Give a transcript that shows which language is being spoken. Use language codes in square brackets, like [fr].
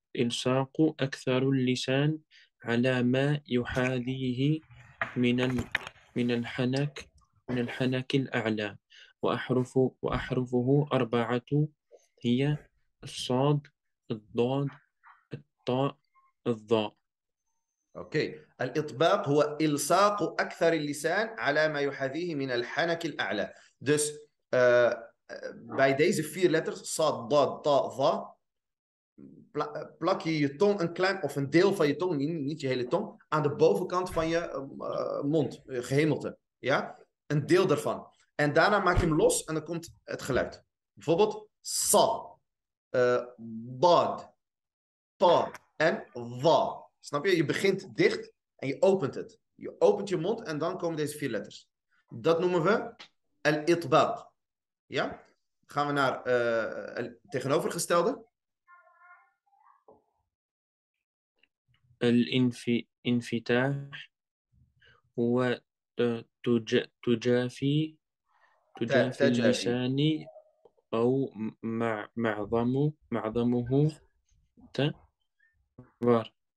[ar] إلصاق أكثر اللسان على ما يحاذيه من الحنك من الحنك الأعلى وأحرفه 4 هي الصاد الضاد الطاء الظاء. أوكي. الإطباق هو إلصاق أكثر اللسان على ما يحاذيه من الحنك الأعلى. [nl] Dus [en] by these [nl] 4 letters صاد ضاد طاء ظاء plak je je tong een klein, of een deel van je tong, niet je hele tong, aan de bovenkant van je mond, je gehemelte. Ja? Een deel daarvan. En daarna maak je hem los en dan komt het geluid. Bijvoorbeeld, sa, bad, pa en wa. Snap je? Je begint dicht en je opent het. Je opent je mond en dan komen deze 4 letters. Dat noemen we al-itbaq. Ja? Gaan we naar het tegenovergestelde. [ar] الانفتاح هو تجافي اللسان او معظمه تبار